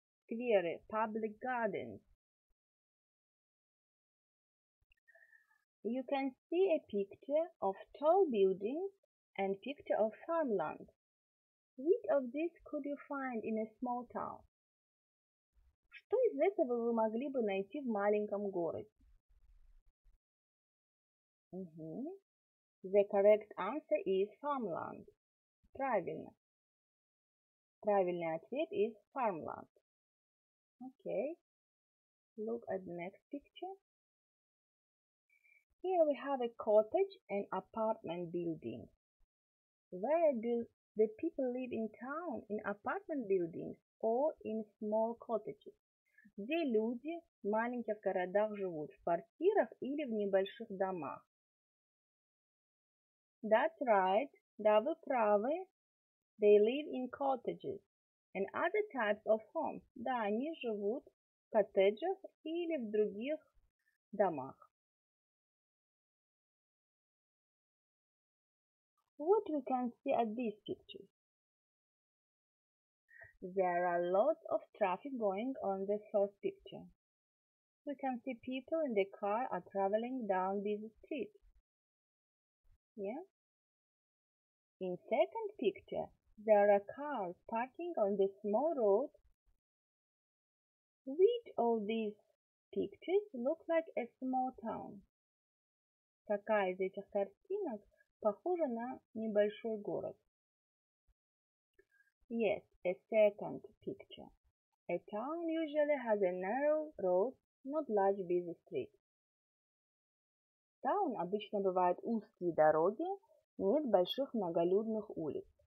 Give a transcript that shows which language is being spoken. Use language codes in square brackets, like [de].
[ru] Скверы, public gardens. [en] You can see a picture of tall buildings and picture of farmland. Which of this could you find in a small town? [ru] Что из этого вы могли бы найти в маленьком городе? [en] The correct answer is farmland. [ru] Правильно. Правильный ответ [en] is farmland. Okay. Look at the next picture. Here we have a cottage and apartment building. Where do the people live in town? In apartment buildings or in small cottages? [ru] Где люди в маленьких городах живут? В квартирах или в небольших домах? [en] That's right. [ru] Да, вы правы. [en] They live in cottages and other types of homes. [ru] Да, они живут в коттеджах или в других домах. [en] What we can see at this picture? There are lots of traffic going on the first picture. We can see people in the car are traveling down this street. Yeah? In second picture, there are cars parking on the small road. Which of these pictures look like a small town? [ru] Какая из этих картинок похожа на небольшой город? [en] Yes, a second picture. A town usually has a narrow road, not large busy street. [ru] Town обычно бывает узкие дороги, нет больших многолюдных улиц.